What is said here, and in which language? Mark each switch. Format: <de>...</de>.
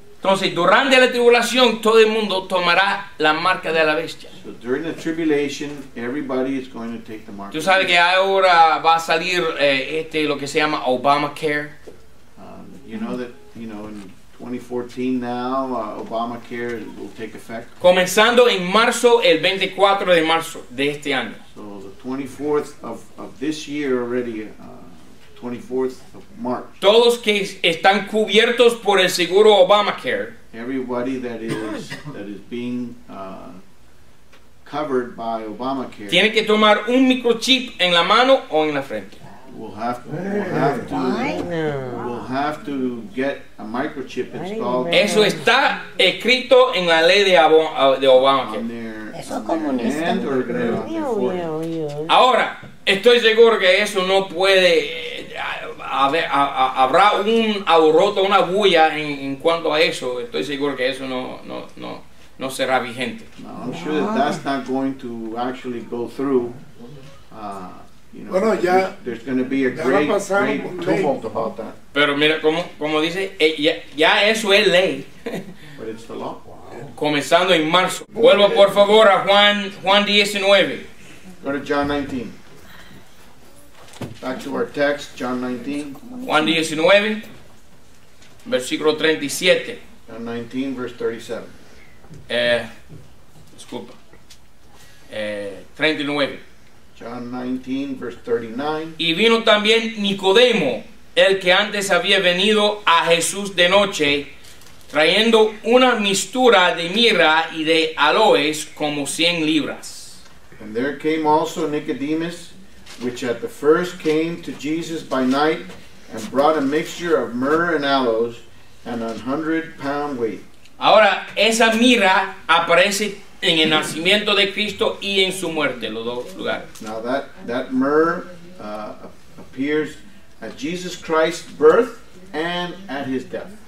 <es>Entonces, durante la tribulación, todo el mundo tomará la marca de la bestia.</es> <en>So during the tribulation, everybody is going to take the mark.</en> <es>¿Tú sabes que ahora va a salir este lo que se llama Obamacare?</es> <en>You know that, you know, in 2014 now, Obamacare will take effect.</en> <es>Comenzando en marzo, el 24 de marzo de este año.</es> <en>So the 24th of this year already, 24th of March.</en> <es>Todos que están cubiertos por el seguro Obamacare.</es> <en>Everybody that is being covered by Obamacare.</en> <es>Tiene que tomar un microchip en la mano o en la frente.</es> <en>We'll have to get a microchip installed.</en> <es>Eso está escrito en la ley de Obamacare.</es> <en>On their hand or their foot.</en> <es>Ahora, estoy seguro que eso no puede. Habrá un alboroto, una bulla en cuanto a eso. Estoy seguro que eso no será vigente.</es> <en>No, I'm sure that's not going to actually go through. You know,</en> <es>bueno, ya,</es> <en>there's going to be a great tumult about that.</en> <es>Pero mira como dice, ya eso es ley.</es> <en>But it's the law. Wow.</en> <es>Comenzando en marzo. Vuelvo por favor a Juan 19.</es> <en>Go to John 19. Back to our text, John 19.</en> <es>Juan 19, versículo 37.</es> <en>John 19, verse 37.</en> <es>Disculpa. 39.</es> <en>John 19, verse 39.</en> <es>Y vino también Nicodemo, el que antes había venido a Jesús de noche, trayendo una mistura de mirra y de aloes como 100 libras.</es> <en>And there came also Nicodemus, which at the first came to Jesus by night and brought a mixture of myrrh and aloes and 100-pound weight.</en> <es>Ahora, esa mirra aparece en el nacimiento de Cristo y en su muerte, los dos lugares.</es> <en>Now that myrrh appears at Jesus Christ's birth and at his death.</en>